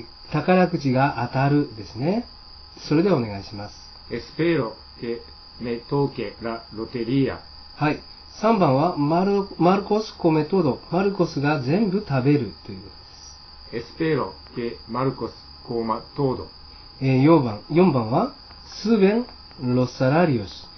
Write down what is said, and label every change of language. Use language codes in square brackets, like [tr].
[ja] 宝くじが当たるですね。それではお願いします。 [es] Espero que me toque la lotería. [ja] はい。 3番は、 [es] Marcos come todo. [ja] マルコスが全部食べるということです。 [es] Espero que Marcos coma todo. [ja] 4番は、 [es] suben los salarios.